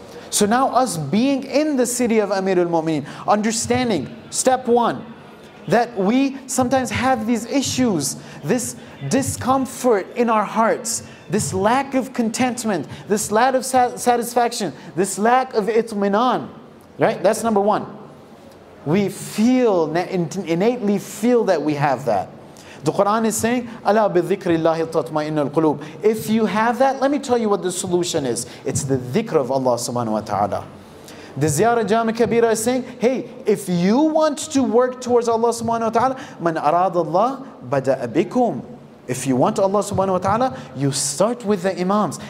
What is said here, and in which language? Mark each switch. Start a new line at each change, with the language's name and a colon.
English: So now us being in the city of Amir al-Mu'mineen, understanding, step one, that we sometimes have these issues, this discomfort in our hearts, this lack of contentment, this lack of satisfaction, this lack of itminan, right? That's number one. We feel, innately feel that we have that. The Quran is saying,
Arabic: أَلَا بِذِكْرِ اللَّهِ تَطْمَئِنُّ الْقُلُوبِ.
English: If you have that, let me tell you what the solution is. It's the dhikr of Allah subhanahu wa ta'ala. The Ziyarah Jami Kabira is saying, hey, if you want to work towards Allah subhanahu wa ta'ala,
Arabic: man arad Allah bada'a bikum.
English: If you want Allah subhanahu wa ta'ala, you start with the imams.